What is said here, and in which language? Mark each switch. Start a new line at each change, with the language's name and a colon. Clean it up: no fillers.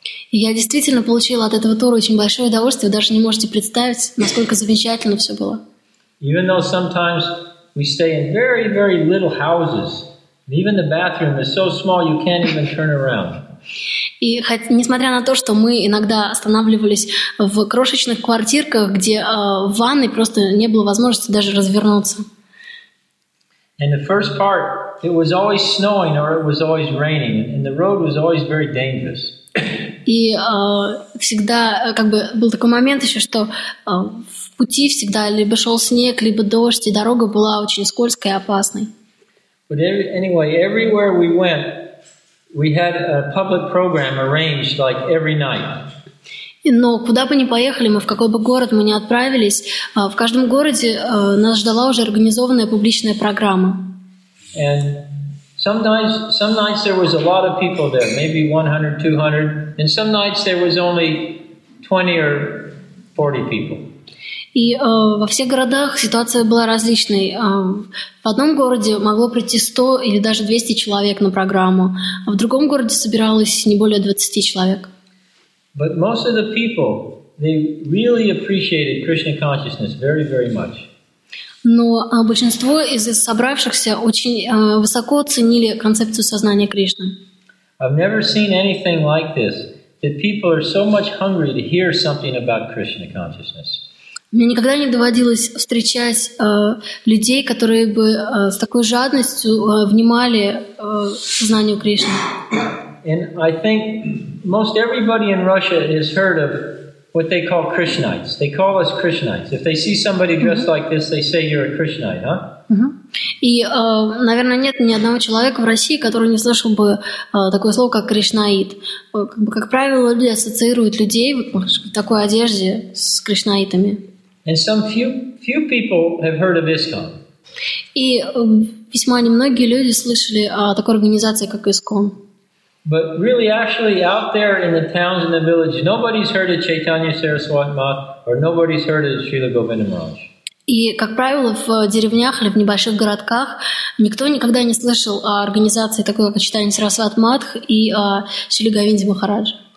Russian: И я действительно получила от этого тура очень большое удовольствие. Вы даже не можете представить, насколько замечательно все было.
English: Even though sometimes we stay in very, very little houses. And even the bathroom is so small you can't even turn around.
Russian: И несмотря на то, что мы иногда останавливались в крошечных квартирках, где в ванной просто не было возможности даже развернуться.
English: And the first part, it was always snowing or it was always raining, and the road was always very dangerous.
Russian: И всегда был такой момент еще, что в пути всегда либо шел снег, либо дождь, и дорога была очень скользкой и опасной.
English: But anyway, everywhere we went, we had a public program arranged like every night.
Russian: Но куда бы ни поехали мы, в какой бы город мы ни отправились, в каждом городе нас ждала уже организованная публичная программа.
English: And Some nights there was a lot of people there, maybe 100, 200, and some nights there was only 20 or 40 people.
Russian: И во всех городах ситуация была различной. В одном городе могло прийти 100 или даже 200 человек на программу, а в другом городе собиралось не более 20 человек.
English: But most of the people, they really appreciated Krishna consciousness very, very much.
Russian: Но большинство из собравшихся очень высоко оценили концепцию сознания Кришны.
English: I've never seen anything like this, that people are so much hungry to hear something about Krishna consciousness.
Russian: Мне никогда не доводилось встречать людей, которые бы с такой жадностью внимали сознанию Кришны.
English: And I think most everybody in Russia has heard of what they call Krishnites. They call us Krishnites. If they see somebody dressed mm-hmm. like this, they say you're a Krishnite, huh? Mm-hmm.
Russian: И, наверное, нет ни одного человека в России, который не слышал бы такое слово, как Кришнаит. Как правило, люди ассоциируют людей в такой одежде с Кришнаитами.
English: And some few people have heard of ISKCON.
Russian: И весьма немногие люди слышали о такой организации, как ISKCON.
English: But really, actually, out there in the towns and the villages, nobody's heard of Chaitanya Saraswati Math, or nobody's heard of Srila Govinda Maharaj.
Russian: И как правило, в деревнях или в небольших городках никто никогда не слышал о организации такой, как Chaitanya Saraswati Math и Srila Govinda Maharaj.